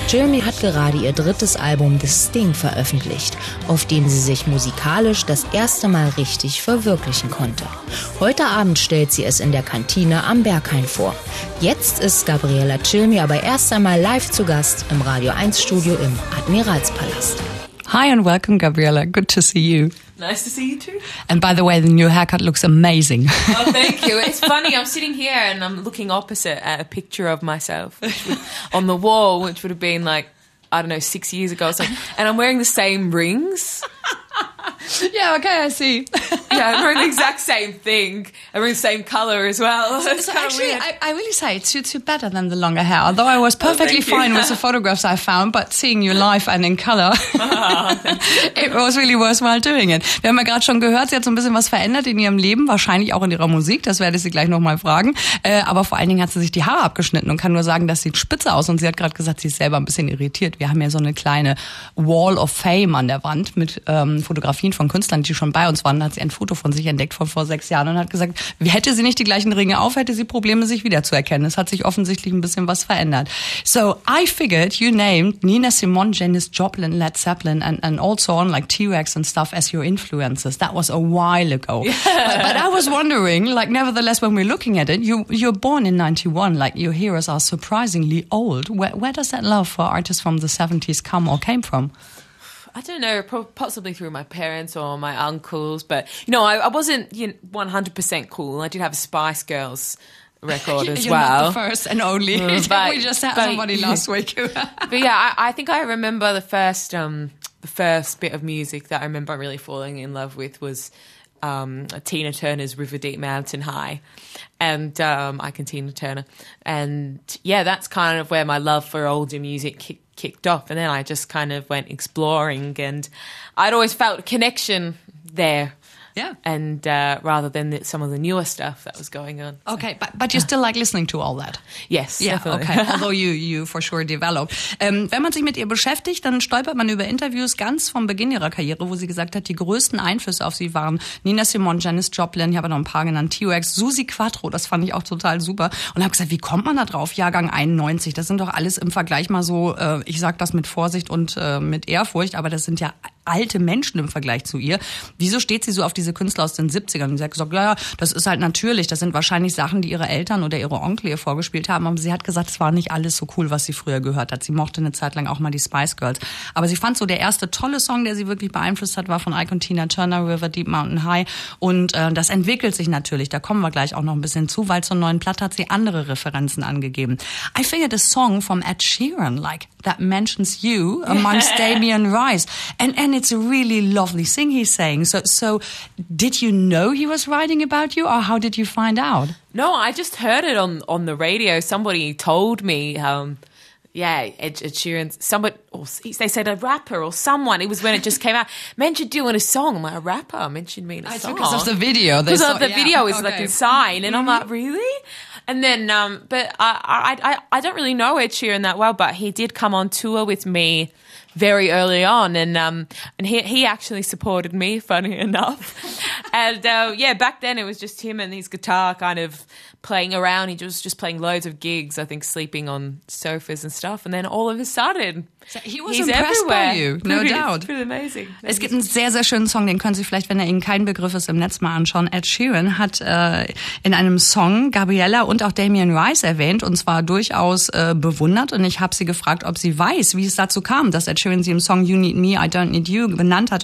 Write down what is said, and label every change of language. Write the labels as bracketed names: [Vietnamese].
[German] Cilmi hat gerade ihr 3. Album The Sting veröffentlicht, auf dem sie sich musikalisch das erste Mal richtig verwirklichen konnte. Heute Abend stellt sie es in der Kantine am Berghain vor. Jetzt ist Gabriella Cilmi aber erst einmal live zu Gast im Radio 1 Studio im Admiralspalast. [English] Hi and welcome, Gabriella. Good to see you. Nice to see you too. And by the way, the new haircut looks amazing. Oh, thank you. It's funny. I'm sitting here and I'm looking opposite at a picture of myself on the wall, which would have been like, I don't know, 6 years ago or something. And I'm wearing the same rings. Yeah, okay, I see. Yeah, I'm wearing the exact same thing. I'm wearing the same color as well. So actually, I really say it suits you better than the longer hair. Although I was perfectly fine with the photographs I found, but seeing you live and in color, it was really worthwhile doing it. [German] Wir haben ja gerade schon gehört, sie hat so ein bisschen was verändert in ihrem Leben, wahrscheinlich auch in ihrer Musik. Das werde ich sie gleich nochmal fragen. Aber vor allen Dingen hat sie sich die Haare abgeschnitten und kann nur sagen, das sieht spitze aus. Und sie hat gerade gesagt, sie ist selber ein bisschen irritiert. Wir haben ja so eine kleine Wall of Fame an der Wand mit Fotografien von Künstlern, die schon bei uns waren, hat sie ein Foto von sich entdeckt von vor 6 Jahren und hat gesagt, hätte sie nicht die gleichen Ringe auf, hätte sie Probleme, sich wiederzuerkennen. Es hat sich offensichtlich ein bisschen was verändert. [English] So, I figured you named Nina Simone, Janis Joplin, Led Zeppelin and also on like T-Rex and stuff as your influences. That was a while ago. Yeah. But I was wondering, like nevertheless, when we're looking at it, you're born in 91, like your heroes are surprisingly old. Where does that love for artists from the 70s come or came from? I don't know, possibly through my parents or my uncles, but, you know, I wasn't 100% cool. I did have a Spice Girls record as well. You're not the first and only. We just had somebody last week. But, yeah, I think I remember the first bit of music that I remember really falling in love with was Tina Turner's River Deep Mountain High. And I can Tina Turner. And, yeah, that's kind of where my love for older music kicked off, and then I just kind of went exploring, and I'd always felt a connection there. Yeah. And rather than some of the newer stuff that was going on. So. Okay, but you still like listening to all that? Yes, yeah, definitely. Okay, although you for sure develop. [German] Wenn man sich mit ihr beschäftigt, dann stolpert man über Interviews ganz vom Beginn ihrer Karriere, wo sie gesagt hat, die größten Einflüsse auf sie waren Nina Simone, Janis Joplin, ich habe noch ein paar genannt, T-Rex, Susie Quattro, das fand ich auch total super. Und habe gesagt, wie kommt man da drauf? Jahrgang 91, das sind doch alles im Vergleich mal so, ich sag das mit Vorsicht und mit Ehrfurcht, aber das sind ja alte Menschen im Vergleich zu ihr. Wieso steht sie so auf diese Künstler aus den 70ern? Sie hat gesagt, ja, das ist halt natürlich. Das sind wahrscheinlich Sachen, die ihre Eltern oder ihre Onkel ihr vorgespielt haben. Aber sie hat gesagt, es war nicht alles so cool, was sie früher gehört hat. Sie mochte eine Zeit lang auch mal die Spice Girls. Aber sie fand so, der erste tolle Song, der sie wirklich beeinflusst hat, war von Ike und Tina Turner, River Deep Mountain High. Und das entwickelt sich natürlich. Da kommen wir gleich auch noch ein bisschen zu, weil zur neuen Platte hat sie andere Referenzen angegeben. [English] I figured a song from Ed Sheeran, like, that mentions you amongst Damien Rice. And it's a really lovely thing he's saying. So did you know he was writing about you, or how did you find out? No, I just heard it on the radio. Somebody told me, Ed Sheeran, somebody, or they said a rapper or someone. It was when it just came out. Mentioned you in a song. I'm like, a rapper mentioned me in a song. It's because of the video. Because of the video is okay. Like a sign. And I'm like, really? And then, but I don't really know Ed Sheeran that well, but he did come on tour with me very early on, and he actually supported me, funny enough. And back then it was just him and his guitar kind of playing around. He was just playing loads of gigs, I think sleeping on sofas and stuff. And then all of a sudden, he's impressed everywhere. By you, no pretty, doubt. It's pretty amazing. [German] Es gibt einen sehr, sehr schönen Song, den können Sie vielleicht, wenn er Ihnen kein Begriff ist, im Netz mal anschauen. Ed Sheeran hat in einem Song Gabriella und auch Damien Rice erwähnt, und zwar durchaus bewundert. Und ich habe sie gefragt, ob sie weiß, wie es dazu kam, dass Ed Sheeran sie im Song You Need Me, I Don't Need You benannt hat.